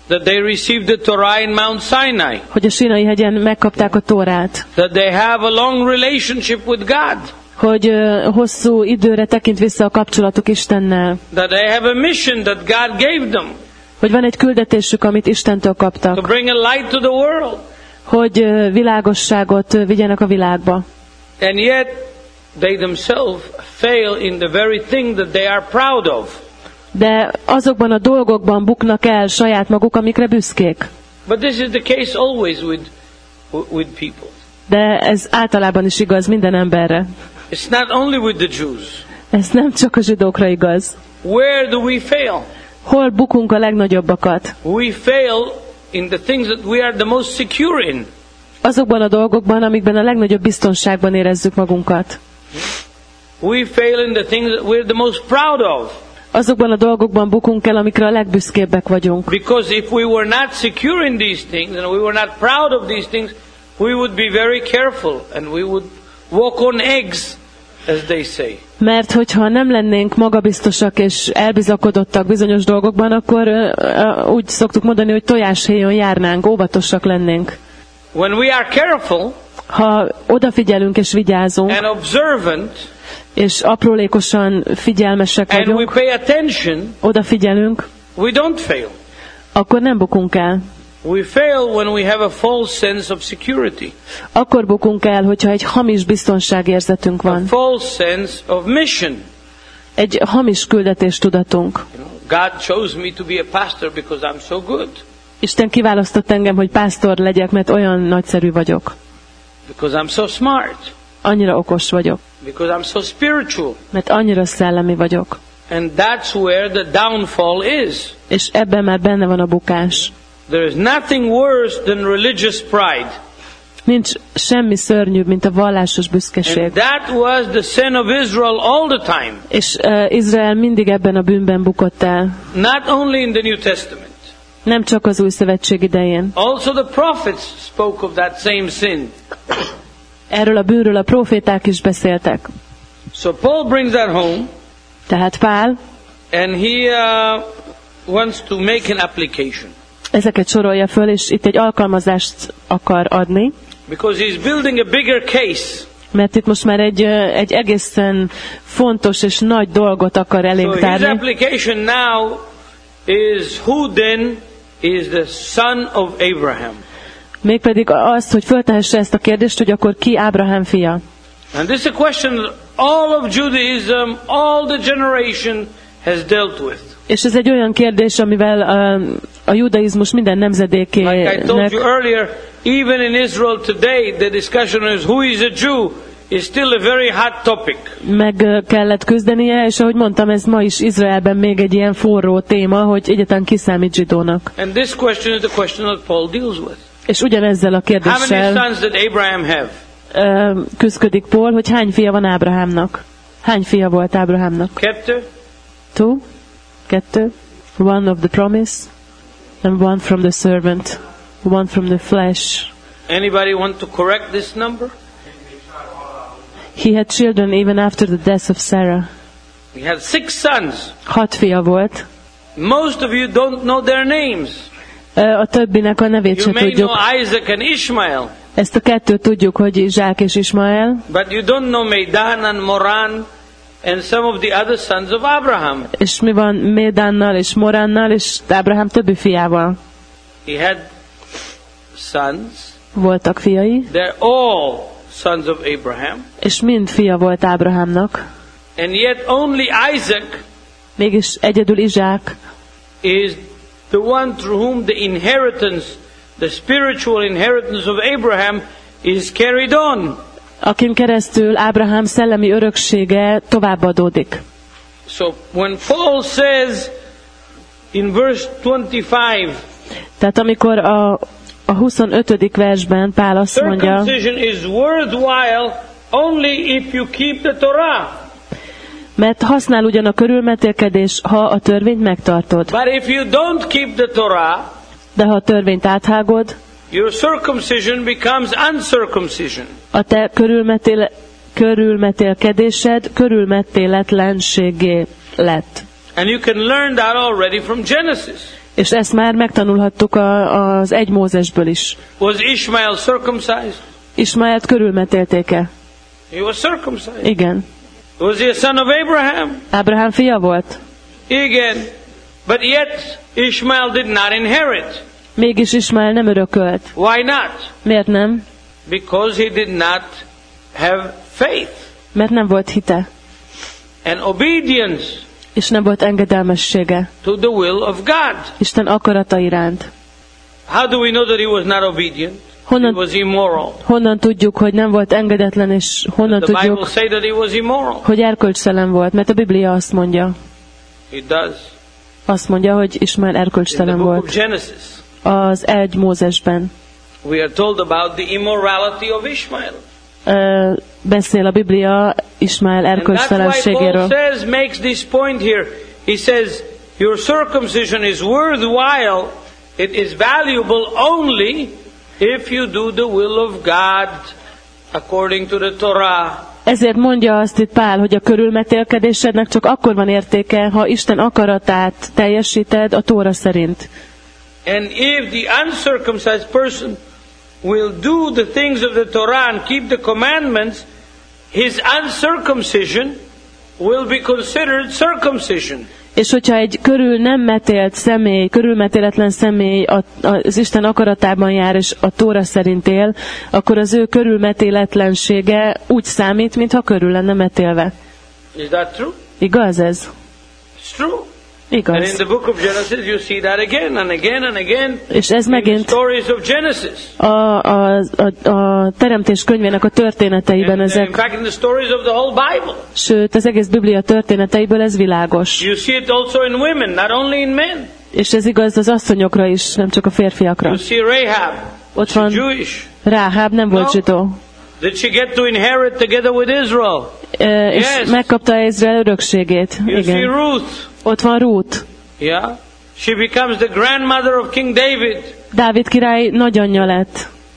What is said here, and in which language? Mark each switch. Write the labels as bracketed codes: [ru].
[en] That they received the Torah in Mount Sinai. [hu] Hogy a Sinai hegyen megkapták a Tórát. [en] That they have a long relationship with God. [hu] Hogy hosszú időre tekint vissza a kapcsolatuk Istennel. [en] That they have a mission that God gave them. [hu] Hogy van egy küldetésük, amit Istentől kaptak. [en] To bring a light to the world. [hu] Hogy világosságot vigyenek a világba. [en] And yet they themselves fail in the very thing that they are proud of. [hu] De azokban a dolgokban buknak el saját maguk, amikre büszkék. [en] But this is the case always with people. [hu] De ez általában is igaz minden emberre. [en] It's not only with the Jews. [hu] Ez nem csak a zsidókra igaz. [en] Where do we fail? [hu] Hol bukunk a legnagyobbakat? [en] We fail in the things that we are the most secure in. [hu] Azokban a dolgokban, amikben a legnagyobb biztonságban érezzük magunkat. [en] We fail in the things that we're the most proud of. [hu] Azokban a dolgokban bukunk el, amikre a legbüszkébbek vagyunk. [en] Because if we were not secure in these things and we were not proud of these things, we would be very careful and we would walk on eggs, as they say. [hu] Mert hogyha nem lennénk magabiztosak és elbizakodottak bizonyos dolgokban, akkor úgy szoktuk mondani, hogy tojáshéjon járnánk, óvatosak lennénk. [en] When we are careful, [hu] ha odafigyelünk és vigyázunk, [en] and observant, [hu] és aprólékosan figyelmesek vagyunk, [en] and we pay attention, [hu] odafigyelünk, [en] we don't fail. [hu] Akkor nem bukunk el. [en] We fail when we have a false sense of security. [hu] Akkor bukunk el, hogyha egy hamis biztonságérzetünk van. [en] A false sense of mission. [hu] Egy hamis küldetéstudatunk. [en] God chose me to be a pastor because I'm so good. [hu] Isten kiválasztott engem, hogy pásztor legyek, mert olyan nagyszerű vagyok. [en] Because I'm so smart. [hu] Annyira okos vagyok. [en] Because I'm so spiritual. [hu] Mert annyira szellemi vagyok. [en] And that's where the downfall is. [hu] És ebben már benne van a bukás. [en] There is nothing worse than religious pride. [hu] Nincs semmi szörnyűbb, mint a vallásos büszkeség. [en] And that was the sin of Israel all the time. [hu] És Izrael mindig ebben a bűnben bukott el. [en] Not only in the New Testament. [hu] Nem csak az Új Szövetség idején. [en] Also the prophets spoke of that same sin. [hu] Erről a bűnről a proféták is beszéltek. [en] So Paul brings that home. [hu] Tehát Pál. [en] And he wants to make an application. [hu] Ezeket sorolja föl, és itt egy alkalmazást akar adni. [en] Because he's building a bigger case. [hu] Mert itt most már egy egészen fontos és nagy dolgot akar elénk tárni. [en] So his application now is who then is the son of Abraham. [hu] Mégpedig az, hogy föltehesse ezt a kérdést, hogy akkor ki Ábrahám fia. [en] And this is a question that all of Judaism, all the generation has dealt with. [hu] És ez egy olyan kérdés, amivel a judaizmus minden nemzedékének. [en] Like I told you earlier, even in Israel today, the discussion is who is a Jew is still a very hot topic. [hu] Meg kellett küzdenie, és ahogy mondtam, ez ma is Izraelben még egy ilyen forró téma, hogy egyetlen ki számít zsidónak. [en] And this question is the question that Paul deals with. [hu] És ugyanezzel a kérdéssel. [en] How many sons did Abraham have? [hu] Küzdik Paul, hogy hány fia van Ábrahámnak? Hány fia volt Ábrahámnak? Kettő. [en] Two. [hu] Kettő, [en] one of the promise and one from the servant, one from the flesh. Anybody want to correct this number? He had children even after the death of Sarah. He had six sons. [hu] Hat fia volt. [en] Most of you don't know their names. [hu] A többinek a nevét sem tudjuk. [en] You may know Isaac and Ishmael. [hu] Ezt a kettőt tudjuk, hogy Izsák és Ismael. [en] But you don't know Medan and Moran. And some of the other sons of Abraham. [hu] És mi van Médánnal és Moránnal és Ábrahám többi fiával? [en] He had sons. [hu] Voltak fiai. [en] They're all sons of Abraham. [hu] És mind fia volt Ábrahámnak. [en] And yet only Isaac. [hu] Mégis egyedül Izsák. [en] Is the one through whom the inheritance, the spiritual inheritance of Abraham, is carried on. [hu] Akin keresztül Ábrahám szellemi öröksége továbbadódik. [en] So when Paul says in verse 25, [hu] tehát amikor a 25. versben Pál azt mondja, [en] circumcision is worthwhile only if you keep the Torah. [hu] Mert használ ugyan a körülmetélkedés, ha a törvényt megtartod. [en] But if you don't keep the Torah, [hu] de ha a törvényt áthágod, [en] your circumcision becomes uncircumcision. [hu] A te körülmetélkedésed körülmetéletlenségé lett. [en] And you can learn that already from Genesis. [hu] És ezt már megtanulhattuk az egy Mózesből is. [en] Was Ishmael circumcised? [hu] Ismáelt körülmetélték-e? [en] He was circumcised. [hu] Igen. [en] Was he a son of Abraham? [hu] Ábrahám fia volt. Igen. [en] But yet Ishmael did not inherit. [hu] Mégis Ismael nem örökölt. [en] Why not? [hu] Miért nem? [en] Because he did not have faith. [hu] Mert nem volt hite. [en] And obedience. [hu] És nem volt engedelmessége. [en] To the will of God. [hu] Isten akarata iránt. [en] How do we know that he was not obedient? [hu] Honnan, [en] he was immoral. [hu] Honnan tudjuk, hogy nem volt engedetlen, és honnan [en] the [hu] tudjuk, [en] Bible say that he was immoral. [hu] Hogy erkölcstelen volt? Mert a Biblia azt mondja. [en] It does. [hu] Azt mondja, hogy Ismael erkölcstelen volt. [en] In the book of Genesis. [hu] Az egy Mózesben. [en] We are told about the immorality of Ishmael. [hu] beszél a Biblia Ismael erkölcs feleségéről. [en] And that's why Paul says, makes this point here. He says, your circumcision is worthwhile, it is valuable only if you do the will of God according to the Torah. [hu] Ezért mondja azt itt Pál, hogy a körülmetélkedésednek csak akkor van értéke, ha Isten akaratát teljesíted a Tóra szerint. [en] And if the uncircumcised person will do the things of the Torah and keep the commandments, his uncircumcision will be considered circumcision. [hu] És hogyha egy körül nem metélt személy, körülmetéletlen személy az Isten akaratában jár és a Tóra szerint él, akkor az ő körülmetéletlensége úgy számít, mintha körül lenne metélve. [en] Is that true? [hu] Igaz ez? [en] It's true. [hu] Igaz. [en] And in the book of Genesis you see that again and again and again. [hu] És ez megint [en] in the stories of Genesis. [hu] A teremtés könyvének a történeteiben ezek. [en] In fact, in the stories of the whole Bible. [hu] Sőt, az egész Biblia történeteiből ez világos. [en] You see it also in women, not only in men. [hu] És ez igaz az asszonyokra is, nem csak a férfiakra. [en] You see Rahab. [hu] Ott van [en] Jewish. [hu] Rahab nem volt zsidó. [en] Did she get to inherit together with Israel? [hu] És megkapta Izrael örökségét. Igen. [en] You see Ruth. [hu] Ott van Ruth. [en] Yeah. She becomes the grandmother of King David. [hu] Dávid király nagyanyja lett.